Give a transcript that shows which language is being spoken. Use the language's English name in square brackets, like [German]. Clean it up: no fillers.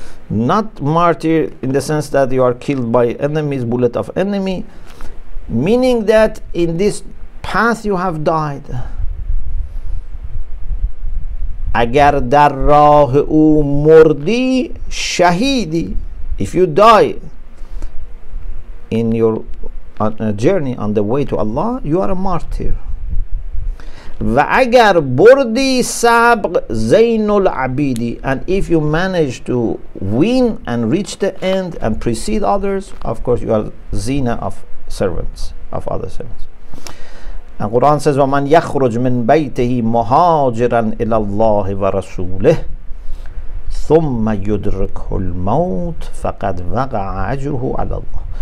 [English] Not martyr in the sense that you are killed by enemies, bullet of enemy, meaning that in this path you have died. [Persian] اگر در راه او مردی شهیدی. [English] If you die in your journey on the way to Allah, you are a martyr. [Persian] و اگر بردی سبق زین العبیدی. [English] And if you manage to win and reach the end and precede others, of course you are zina of servants, of other servants. And Quran says, [Arabic] وَمَنْ يَخْرُجْ مِنْ بَيْتِهِ مُهَاجِرًا إِلَى اللَّهِ وَرَسُولِهِ ثُمَّ يُدْرِكُهُ الْمَوْتِ فَقَدْ وَقَعَ عَجْرُهُ عَلَى اللَّهِ.